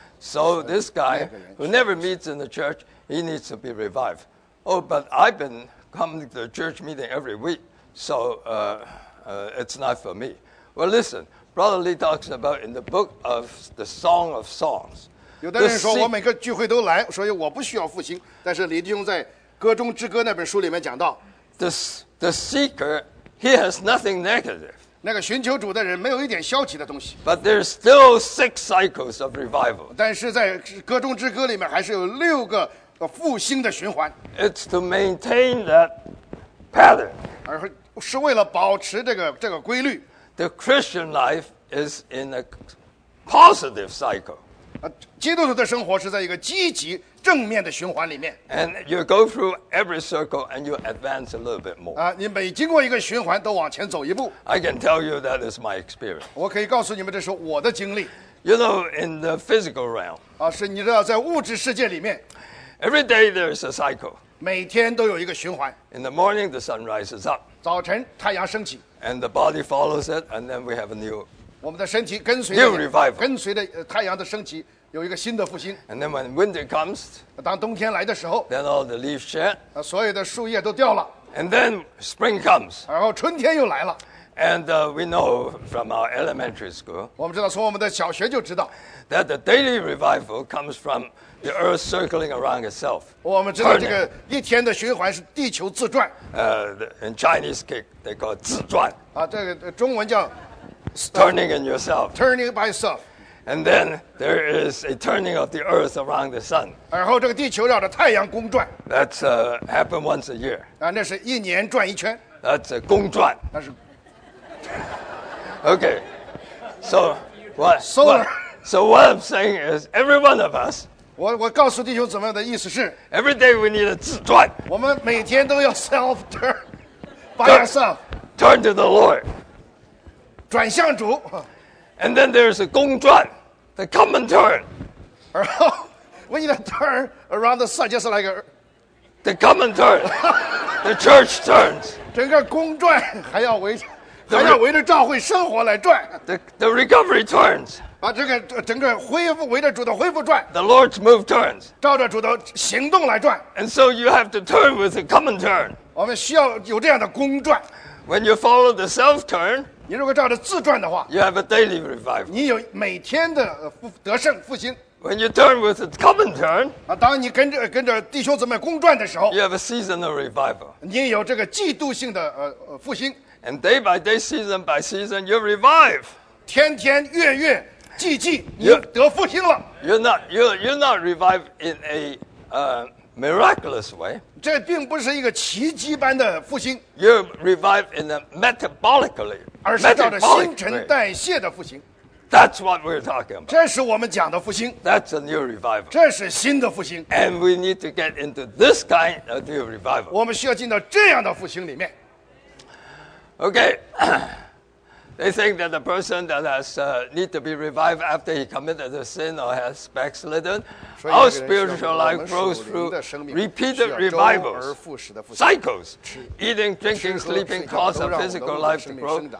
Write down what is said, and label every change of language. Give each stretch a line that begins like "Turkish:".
English: So this guy who never meets in the church,He needs to be revived. Oh, but I've been coming to the church meeting every week, so it's not for me. Well, listen, Brother Lee talks about in the book of the Song of Songs.
Chinese: 有的人说我每个聚会都来，所以我不需要复兴。但是李弟兄在《歌中之歌》那本书里面讲到
English: ，the seeker he has nothing negative.
Chinese: 那个寻求主的人没有一点消极的东西。
English: But there's still six cycles of revival.
Chinese: 但是在《歌中之歌》里面还是有六个。复兴的循环
English: It's to maintain that pattern.
Chinese: 而是为了保持这个规律
English: The Christian life is in a positive cycle.
Chinese: 基督徒的生活是在一个积极正面的循环里面
English: And you go through every circle and you advance a little bit more.
Chinese: 你每经过一个循环都往前走一步
English: I can tell you that is my experience.
Chinese: 我可以告诉你们这是我的经历
English: You know, in the physical realm.
Chinese: 是你知道在物质世界里面
English: Every day there is a cycle.
Chinese: 每天都有一个循环。
English: In the morning, the sun rises up.
Chinese: 早晨太阳升起。
English: And the body follows it, and then we have a new.
Chinese: 我们的身体跟随。
English: New revival.
Chinese: 跟随着太阳的升起，有一个新的复兴。
English: And then when winter comes.
Chinese: 当冬天来的时候。
English: Then all the leaves shed.
Chinese: 所有的树叶都掉了。
English: And then spring comes.
Chinese: 然后春天又来了。
English: And we know from our elementary school.
Chinese: 我们知道从我们的小学就知道。
English: That the daily revival comes from. The earth circling around itself.
Chinese: 我们知道这个一天的循环是地球自转。
English: In Chinese, they call 自转。
Chinese: 这个中文叫
English: turning in yourself. Turning by yourself. And then there is a turning of the earth around the sun.
Chinese: 然后这个地球绕着太阳公转。
English: That's happen once a year.
Chinese: 那是一年转一圈。
English: That's 公转。
Chinese: 那是。
English: Okay. So what? Solar. So what I'm saying is, every one of us.
Chinese: 我告诉弟兄姊妹的意思是
English: ，Every day we need a 自转。
Chinese: 我们每天都要
English: self turn by yourself. Turn to the Lord.
Chinese: 转向主。
English: And then there's a 公转 the common turn.
Chinese: 然后
English: we need a turn around the sun, just like the common turn. The church turns.
Chinese: 整个公转还要围着召会生活来转。
English: The recovery turns.
Chinese: 这个整个恢复围着主的恢复转
English: The Lord's move turns
Chinese: 照着主的行动来转
English: And so you have to turn with a common turn
Chinese: 我们需要有这样的公转
English: When you follow the self turn
Chinese: 你如果照着自转的话
English: You have a daily revival
Chinese: 你有每天的得胜复兴
English: When you turn with a common turn
Chinese: 当你跟着弟兄姊妹公转的时候
English: You have a seasonal revival
Chinese: 你有这个季度性的复兴
English: And day by day, season by season, you revive
Chinese: 天天月月季你得复兴了。
English: You're not revived in a miraculous way.
Chinese: 这并不是一个奇迹般的复兴。
English: You're revived in a metabolically,
Chinese: 而是照着新陈代谢的复兴。
English: That's what we're talking about.
Chinese: 这是我们讲的复兴。
English: That's a new revival.
Chinese: 这是新的复兴。
English: And we need to get into this kind of new revival.
Chinese: 我们需要进到这样的复兴里面。
English: Okay. They think that the person that has need to be revived after he committed a sin or has backslidden, our spiritual life grows through repeated revivals, cycles, eating, drinking, sleeping cause a physical life to grow.